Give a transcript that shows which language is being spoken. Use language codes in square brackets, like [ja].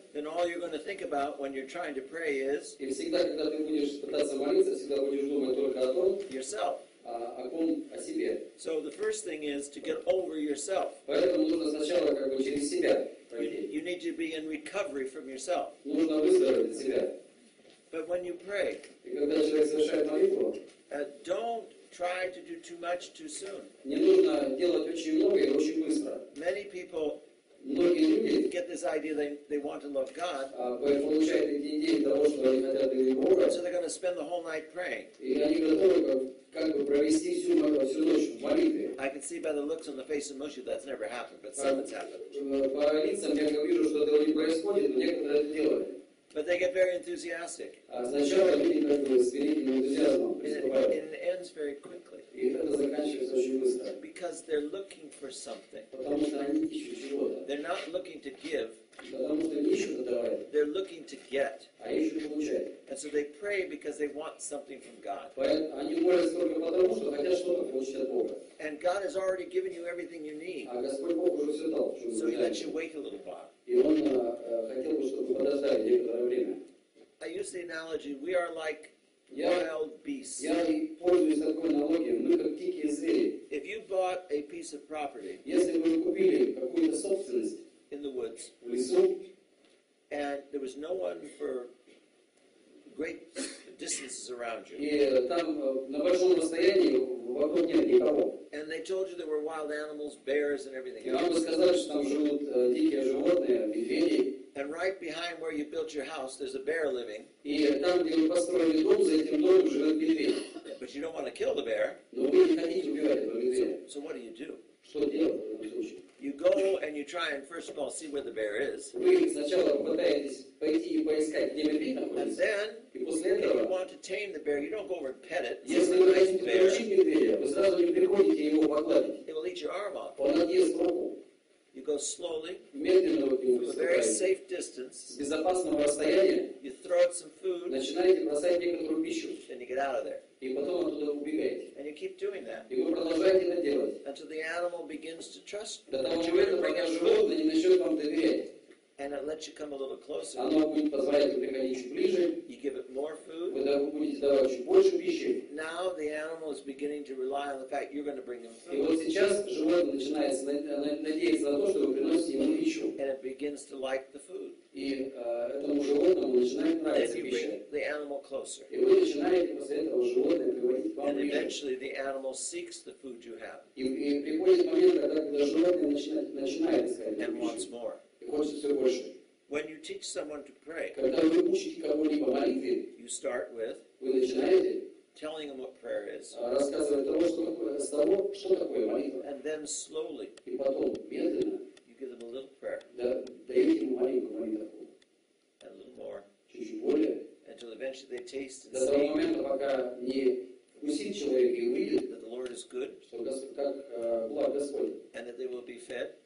[en] then all you're going to think about when you're trying to pray is, [ru] и всегда, когда ты будешь пытаться молиться, всегда будешь думать только о том, [en] yourself, [ru] о ком, о себе. [en] So the first thing is to get over yourself. [ru] Поэтому нужно сначала как бы через себя пройти. [en] You need to be in recovery from yourself. [ru] Нужно выздороветь от себя. [en] But when you pray, [ru] и когда человек совершает молитву, [en] don't try to do too much too soon. [ru] Не нужно делать очень много и очень быстро. [en] Many people, [ru] многие люди, [en] get this idea they want to love God. [ru] Получают эти идеи того, что они хотят любить Бога. [en] So they're going to spend the whole night praying. [ru] И они готовы как бы провести всю ночь в молитве. [en] I can see by the looks on the face of Moshe that's never happened, but something's happened. [ru] По лицам я вижу, что этого не происходит, но некоторые это делают. [en] But they get very enthusiastic. [ru] Сначала люди как бы с великим энтузиазмом приступают. [en] And it ends very quickly. [ru] И это заканчивается очень быстро. [en] Because they're looking for something. [ru] Потому что они ищут чего-то. [en] They're not looking to give. [ru] Потому что они ищут давать. [en] They're looking to get. [ru] А ищут получать. [en] And so they pray because they want something from God. [ru] Они молятся только потому, что хотят что-то получить от Бога. [en] And God has already given you everything you need. [ru] А Господь Бог уже все дал, что вы [en] So he lets you wait a little while. [ru] И он хотел бы, чтобы подождали некоторое время. [en] I use the analogy, we are like wild beasts. [ru] Я пользуюсь такой аналогией, мы как дикие звери. [en] If you bought a piece of property, [ru] если вы купили какую-то собственность [en] in the woods, [ru] в лесу, [en] and there was no one for great distances around you, [ru] и там на большом расстоянии вокруг нет никого. [en] And they told you there were wild animals, bears and everything. [ru] Я вам сказал, что там живут дикие животные, медведи. [en] And right behind where you built your house, there's a bear living. [ru] И там, где вы построили дом, за этим домом живет медведь. [en] But you don't want to kill the bear. [ru] Но вы не хотите убивать этого медведя. [en] So what do? [ru] Что делать? [en] You go and you try and first of all see where the bear is. [ru] Вы сначала пытаетесь пойти и поискать, где медведь находится. [en] And then, [ru] этого, [en] if you want to tame the bear, you don't go over and pet it. [ru] Если вы хотите приручить медведя, вы сразу не приходите его погладить. [en] It will eat your arm off. [ru] Он отъест руку. [en] You go slowly. [ru] Медленно вы его выступаете. [en] From a very safe distance. [ru] С безопасного расстояния. [en] You throw out some food. [ru] Начинаете бросать некоторую пищу. [en] Then you get out of there. [ru] И потом оттуда убегаете. [en] And you keep doing that. [ru] И вы продолжаете это делать. [en] Until the animal begins to trust you. [ru] До того момента, пока животное не начнет вам доверять. [en] And it lets you come a little closer. [ru] Оно будет позволять приходить еще ближе. [en] You give it more food. [ru] Вы будете давать еще больше пищи. [en] Now the animal is beginning to rely on the fact you're going to bring them food. [ru] И вот сейчас животное начинает надеяться на то, что вы приносите ему пищу. [en] And it begins to like the food. [ru] И этому животному начинает нравиться пища. [en] The animal closer. [ru] И вы начинаете после этого животное приводить к вам [en] And eventually the animal seeks the food you have. [ru] И приходит момент, когда животное начинает искать пищу. [en] And wants more. When you teach someone to pray, you start with telling them what prayer is, and then slowly you give them a little prayer, and a little more, until eventually they taste and see that the Lord is good, and that they will be fed.